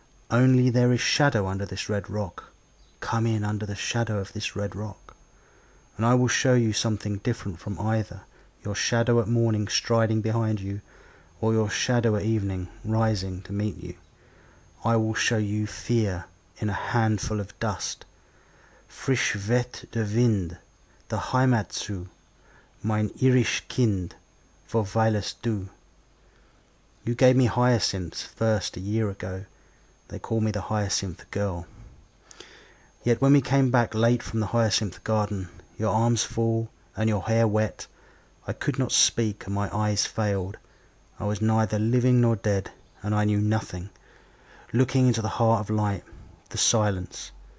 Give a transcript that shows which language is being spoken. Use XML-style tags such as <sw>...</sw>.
<en>Only there is shadow under this red rock. Come in under the shadow of this red rock, and I will show you something different from either, your shadow at morning striding behind you, or your shadow at evening rising to meet you. I will show you fear in a handful of dust.</en> <de>Frisch weht der Wind, der Heimat zu, mein irisch Kind, wo weilest du?</de> <en>You gave me hyacinths first a year ago. They call me the hyacinth girl. Yet when we came back late from the hyacinth garden, your arms full and your hair wet, I could not speak and my eyes failed. I was neither living nor dead, and I knew nothing. Looking into the heart of light, the silence.</en>